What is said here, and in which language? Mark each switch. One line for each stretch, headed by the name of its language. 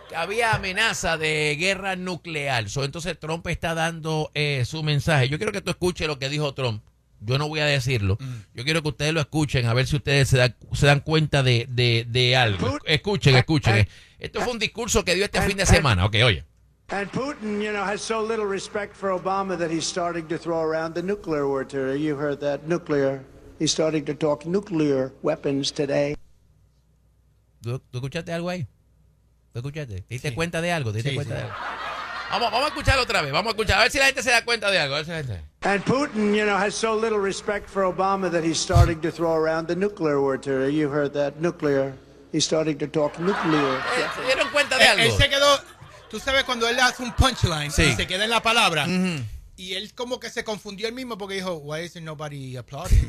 Spanish: Que había amenaza de guerra nuclear. Entonces Trump está dando su mensaje. Yo quiero que tú escuches lo que dijo Trump. Yo no voy a decirlo. Yo quiero que ustedes lo escuchen, a ver si ustedes se dan cuenta de algo. Escuchen. Esto fue un discurso que dio fin de semana. Okay, oye.
English: And Putin, you know, has so little respect for Obama that he's starting to throw around the nuclear word today. You heard that, nuclear. He's starting to talk nuclear weapons today.
Spanish: ¿Tú escuchaste algo ahí? ¿Tú escuchaste? ¿Te diste cuenta de algo? ¿Te diste cuenta de algo? Vamos a escucharlo otra vez. Vamos a escuchar. A ver si la gente se da cuenta de algo.
English: And Putin, you know, has so little respect for Obama that he's starting to throw around the nuclear word today. You heard that, nuclear. He's starting to talk nuclear.
Spanish: ¿Se dieron cuenta de algo? Él se quedó, tú sabes, cuando él hace un punchline, sí, y se queda en la palabra, y él como que se confundió él mismo porque dijo,
English: why isn't nobody applauding?